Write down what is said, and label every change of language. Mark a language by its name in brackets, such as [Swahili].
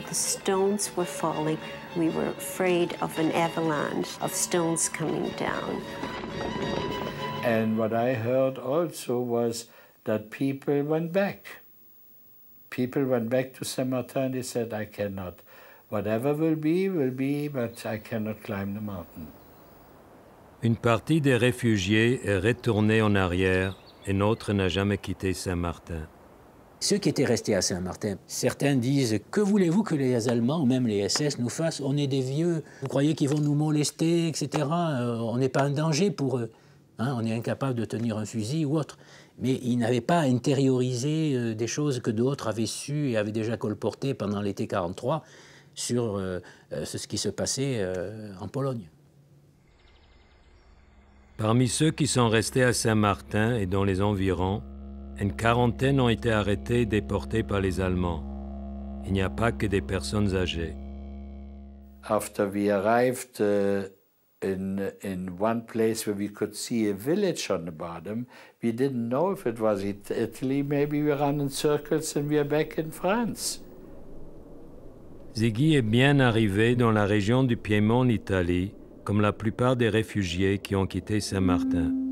[English] The stones were falling. We were afraid of an avalanche of stones coming down. And what I heard also was that people went back. People went back to San Martin. They said, I cannot. Whatever will be, but I cannot climb the mountain. [French] Une partie des réfugiés est retournée en arrière, et l'autre n'a jamais quitté San Martin. Ceux qui étaient restés à Saint-Martin, certains disent, que voulez-vous que les Allemands ou même les SS nous fassent? On est des vieux, vous croyez qu'ils vont nous molester, etc. On n'est pas un danger pour eux. Hein, on est incapable de tenir un fusil ou autre. Mais ils n'avaient pas intériorisé des choses que d'autres avaient su et avaient déjà colportées pendant l'été 43 sur ce qui se passait en Pologne. Parmi ceux qui sont restés à Saint-Martin et dans les environs, une quarantaine ont été arrêtés et déportés par les Allemands. Il n'y a pas que des personnes âgées. [English] After we arrived in one place where we could see a village on the bottom, we didn't know if it was Italy. Maybe we ran in circles and we are back in France. [French] Ziggy est bien arrivé dans la région du Piémont en Italie, comme la plupart des réfugiés qui ont quitté Saint-Martin.